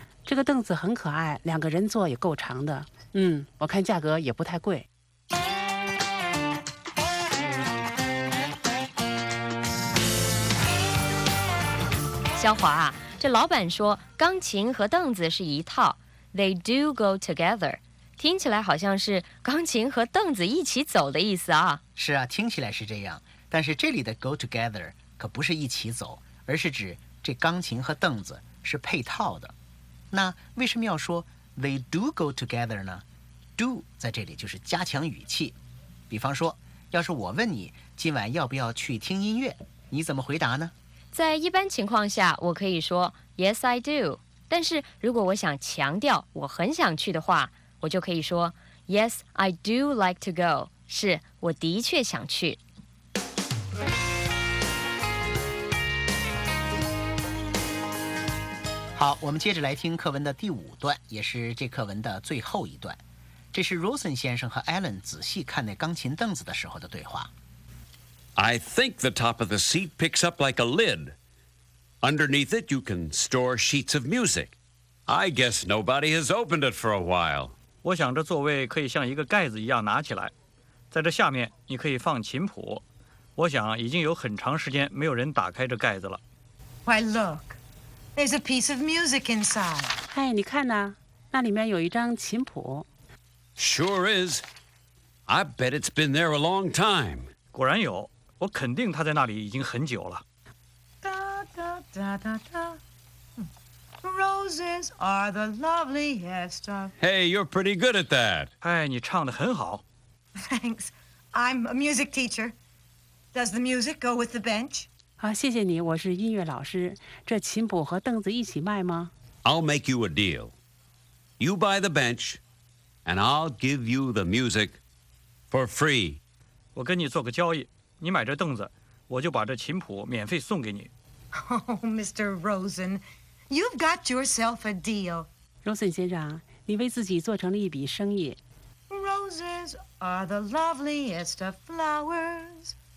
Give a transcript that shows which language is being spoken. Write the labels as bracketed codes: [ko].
[zh] 这个凳子很可爱，两个人坐也够长的。嗯，我看价格也不太贵。肖华啊，这老板说钢琴和凳子是一套 ， [en] They do go together。 [zh] 听起来好像是钢琴和凳子一起走的意思啊。是啊，听起来是这样，但是这里的 go together 可不是一起走，而是指这钢琴和凳子是配套的。那为什么要说 [en] they do go together [zh] 呢？ do 在这里就是加强语气。比方说，要是我问你今晚要不要去听音乐，你怎么回答呢？在一般情况下我可以说 [en] yes I do， [zh] 但是如果我想强调我很想去的话，我就可以说 [en] Yes, I do like to go. [zh] 是，我的确想去。好，我们接着来听课文的第五段，也是这课文的最后一段。这是 Rosen 先生和 Alan 仔细看那钢琴凳子的时候的对话。 [en] I think the top of the seat picks up like a lid. Underneath it, you can store sheets of music. I guess nobody has opened it for a while. [zh] 我想这座位可以像一个盖子一样拿起来，在这下面你可以放琴谱。我想已经有很长时间没有人打开这盖子了。 [en] Why look, there's a piece of music inside. [zh] 哎，你看呐，那里面有一张琴谱。 [en] Sure is. I bet it's been there a long time. [zh] 果然有，我肯定它在那里已经很久了。 [en] 哒哒哒哒哒。Roses are the loveliest of... Hey, you're pretty good at that. [zh] 哎，你唱得很好。 [en] Thanks. I'm a music teacher. Does the music go with the bench? [zh] 好，谢谢你，我是音乐老师。这琴谱和凳子一起卖吗？ [en] I'll make you a deal. You buy the bench, and I'll give you the music for free. [zh] 我跟你做个交易，你买这凳子，我就把这琴谱免费送给你。 [en] Oh, Mr. Rosen... You've got yourself a deal. [zh] Rosen 先生，你为自己做成了一笔生意。 [en] Roses are the loveliest of flowers.